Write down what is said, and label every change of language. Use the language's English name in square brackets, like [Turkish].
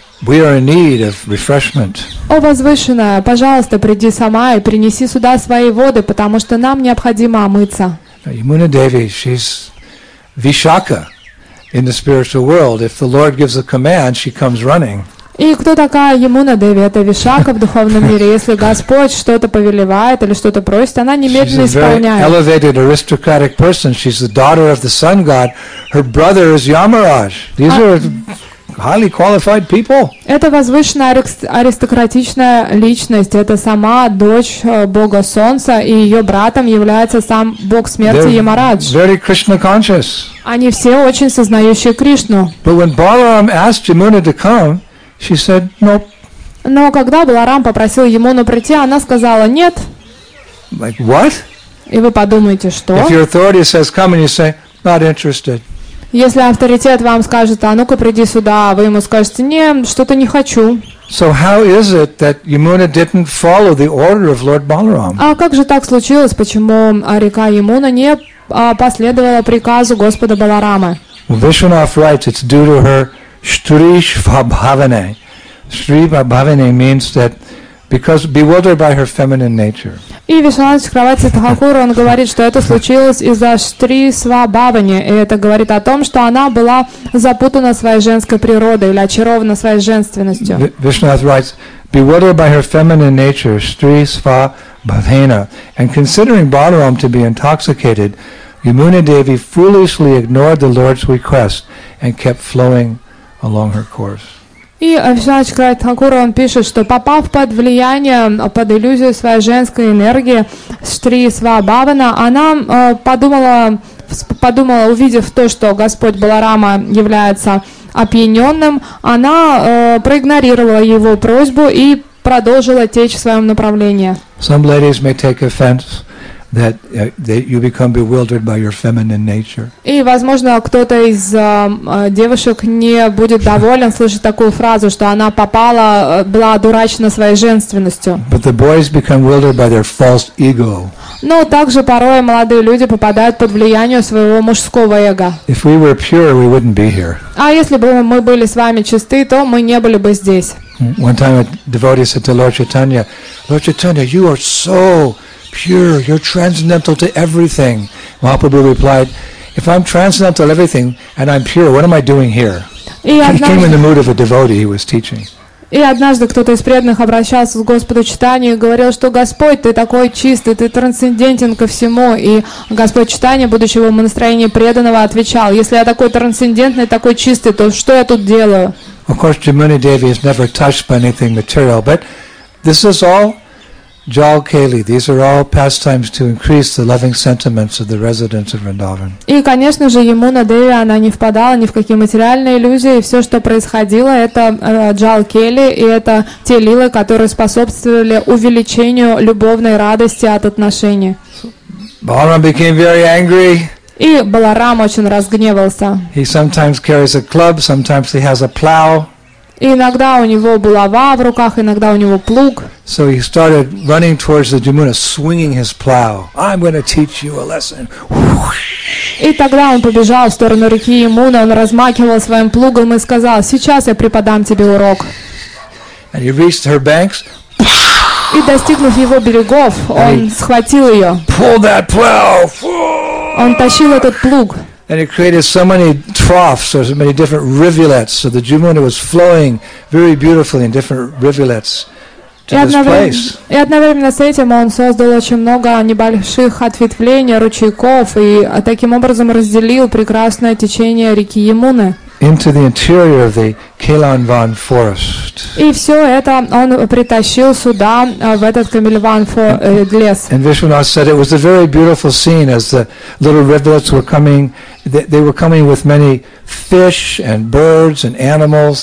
[English] We are in need of refreshment. [Russian] О, возвышенная, пожалуйста, приди сама и принеси сюда свои воды, потому что нам необходимо омыться. [English] Yamuna Devi, she's Vishaka. In the spiritual world, if the Lord gives a command, she comes running. [Russian] И кто такая Ямуна Деви? Это Вишака в духовном мире. Если Господь что-то повелевает или что-то просит, она немедленно исполняет. [English] She's a very elevated aristocratic person. She's the daughter of the sun god. Her brother is Yamaraj. These are highly qualified people. [Russian] Это возвышенная аристократичная личность. Это сама дочь бога солнца, и ее братом является сам бог смерти Ямарадж. [English] Very Krishna conscious. [Russian] Они все очень сознающие Кришну. [English] But when Balaram asked Yamuna to come, she said no. [Russian] Но когда Баларам попросил Ямуну прийти, она сказала нет. [English] Like what? [Russian] И вы подумаете, что? [English] If your authority says come, and you say not interested. [Russian] Если авторитет вам скажет, а ну-ка приди сюда, вы ему скажете, не, что-то не хочу. [English] So how is it that Yamuna didn't follow the order of Lord Balaram? [Russian] А как же так случилось, почему река Ямуна не последовала приказу Господа Баларамы? [English] Vishwanath writes, it's due to her shtri svabhavane. Shtri svabhavane means that because bewildered by her feminine nature. [Russian] И Вишванат Чакраварти Тхакур, он говорит, что это случилось из-за Штри Свабавани. И это говорит о том, что она была запутана своей женской природой или очарована своей женственностью. [English] Vishwanath writes, bewildered by her feminine nature, Штри Свабавена, and considering Balaram to be intoxicated, Yamuna Devi foolishly ignored the Lord's request and kept flowing along her course. [Russian] И Авишнач Кратхакура, он пишет, что попав под влияние, под иллюзию своей женской энергии, Шри Свабавана, она подумала, увидев то, что Господь Баларама является опьяненным, она проигнорировала его просьбу и продолжила течь в своем направлении. [English] Some ladies may take offense that that you become bewildered by your feminine nature. [Russian] И возможно, кто-то из девушек не будет доволен слышать такую фразу, что она попала, была одурачена своей женственностью. [English] But the boys become bewildered by their false ego. [Russian] Но также порой молодые люди попадают под влияние своего мужского эго. [English] If we were pure, we wouldn't be here. [Russian] А если бы мы были с вами чисты, то мы не были бы здесь. [English] One time a devotee said to Lord Chaitanya, "Lord Chaitanya, you are so pure, you're transcendental to everything." Mahaprabhu replied, "If I'm transcendental to everything and I'm pure, what am I doing here?" He came in the mood of a devotee he was teaching. [Russian] И однажды кто-то из преданных обращался к Господу Читания и говорил, что Господь, ты такой чистый, ты трансцендентен ко всему. И Господь Читания, будучи в умонастроении преданного, отвечал, если я такой трансцендентный, такой чистый, то что я тут делаю? [English] Of course, Jamuna Devi is never touched by anything material, but this is all Jal Keli, these are all pastimes to increase the loving sentiments of the residents of Vrindavan. [Russian] И, конечно же, Ямуна Деви, она не впадала ни в какие материальные иллюзии, и все, что происходило, это Jal Keli, и это те лилы, которые способствовали увеличению любовной радости от отношений. [English] Balaram became very angry. [Russian] И Баларам очень разгневался. [English] He sometimes carries a club, sometimes he has a plow. [Russian] И иногда у него булава в руках, иногда у него плуг. [English] So he started running towards the Jamuna, swinging his plow. I'm going to teach you a lesson. [Russian] И тогда он побежал в сторону реки Ямуна, он размахивал своим плугом и сказал: "Сейчас я преподам тебе урок." [English] And he reached her banks. [Russian] И достигнув его берегов, он схватил ее. [English] Pull that plow. [Russian] Он тащил этот плуг. [English] And it created so many troughs, or so many different rivulets, so the Jamuna was flowing very beautifully in different rivulets to this place. [Russian] И одновременно с этим он создал очень много небольших ответвлений, ручейков, и таким образом разделил прекрасное течение реки Ямуны. [English] Into the interior of the Kailanvan forest. [Russian] И все это он притащил сюда, в этот Камильван лес. [English] And Vishwanath said it was a very beautiful scene as the little rivulets were coming. They were coming with many fish and birds and animals.